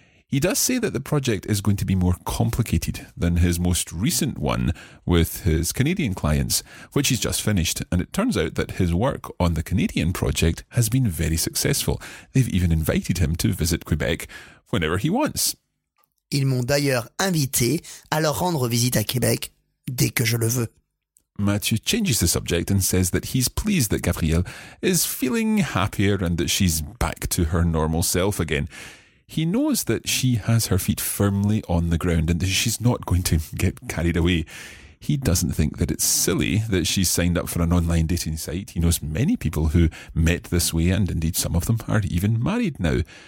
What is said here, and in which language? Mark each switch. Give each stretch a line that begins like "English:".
English: He does say that the project is going to be more complicated than his most recent one with his Canadian clients, which he's just finished. And it turns out that his work on the Canadian project has been very successful. They've even invited him to visit Quebec whenever he wants.
French: Ils m'ont d'ailleurs invité à leur rendre visite à Québec dès que je le veux.
English: Mathieu changes the subject and says that he's pleased that Gabrielle is feeling happier and that she's back to her normal self again. He knows that she has her feet firmly on the ground and that she's not going to get carried away. He doesn't think that it's silly that she's signed up for an online dating site. He knows many people who met this way and indeed some of them are even married now.